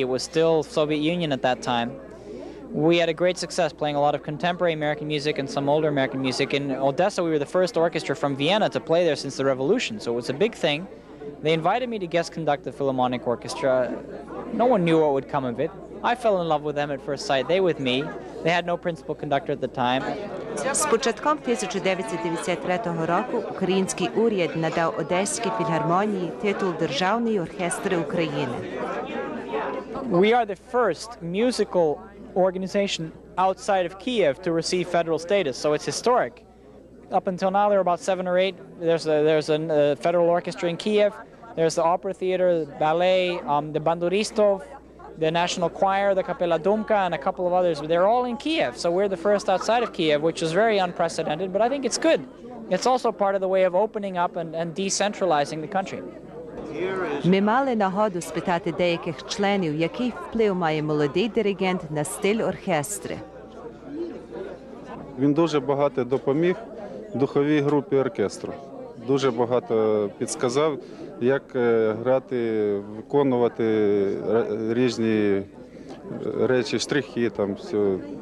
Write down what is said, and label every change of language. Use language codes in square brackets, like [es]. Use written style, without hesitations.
[en] It was still Soviet Union at that time. We had a great success playing a lot of contemporary American music and some older American music. In Odessa, we were the first orchestra from Vienna to play there since the revolution, so it was a big thing. They invited me to guest conduct the Philharmonic Orchestra. No one knew what would come of it. I fell in love with them at first sight, they with me. They had no principal conductor at the time. [uk] З початком 1993 року український уряд надав Одеській філармонії титул Державний оркестр України. [en] We are the first musical organization outside of Kiev to receive federal status, so it's historic. Up until now, there are about seven or eight. There's a federal orchestra in Kiev. There's the opera theater, the ballet, the Banduristov, the National Choir, the Kapela Dumka, and a couple of others. They're all in Kiev, so we're the first outside of Kiev, which is very unprecedented, but I think it's good. It's also part of the way of opening up and decentralizing the country. [uk] Ми мали нагоду спитати деяких членів, який вплив має молодий диригент на стиль оркестри. Він дуже багато допоміг духовій групі оркестру. Дуже багато підказав, як грати, виконувати різні речі, штрихи, там все.